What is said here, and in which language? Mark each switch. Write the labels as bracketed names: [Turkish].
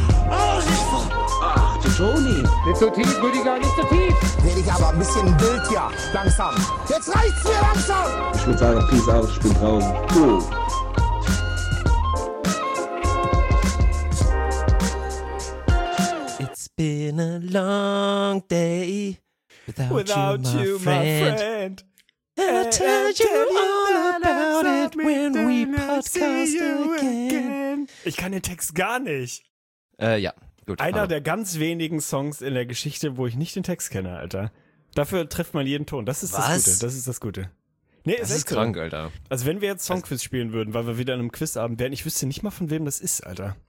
[German] Ach, die Toni! Nicht so tief, Rüdiger, nicht so tief! Werde ich aber ein bisschen wild hier, langsam. Jetzt reicht's mir langsam! Ich würde sagen, [English] peace out, [German] ich bin braun. [English] It's been a long day without you, my friend. And I told you all about it when we podcast again. [German] Ich kann den Text gar nicht. Ja, gut. Einer der ganz wenigen Songs in der Geschichte, wo ich nicht den Text kenne, Alter. Dafür trifft man jeden Ton. Das ist was? Das Gute. Das ist das Gute. Nee, das ist krank, so. Alter. Also wenn wir jetzt Songquiz spielen würden, weil wir wieder in einem Quizabend wären, ich wüsste nicht mal, von wem das ist, Alter.